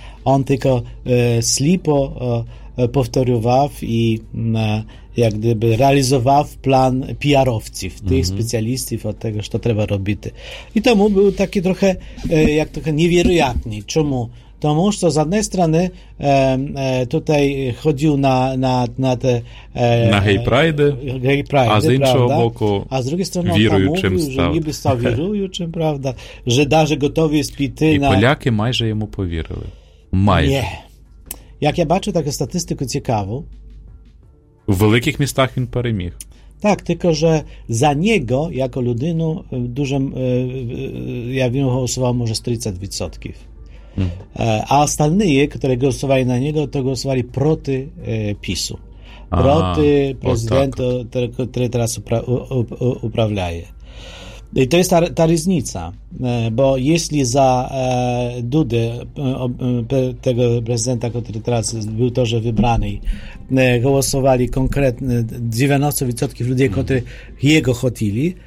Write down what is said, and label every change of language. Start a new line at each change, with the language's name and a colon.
Polish: On tylko ślipo powtórzył i jak gdyby realizował plan PR-owców, tych specjalistów od tego, co trzeba robić. I to mu był taki trochę, jak trochę niewiarygodny. Czemu?
Ukrainian: Тому що, з однієї сторони, тутай ходив на те... На гей-прайди, а з іншого боку, а з іншого боку, віруючим став. Ніби став віруючим, правда, вже навіть готовий спійти на... І поляки майже йому повірили. Майже. Ні. Як я бачу таку статистику цікаву... В великих містах він переміг. Так, тільки що за нього, яко людину, дуже, я в нього голосував, може, з 30%. А остальні, які голосували на нього, то голосували проти ПІСу. Проти президента, який зараз управляє. І то є та різниця. Бо якщо за Дуди, того президента, який зараз був теж вибраний, голосували конкретно 90% людей,
Russian: которые его хотели,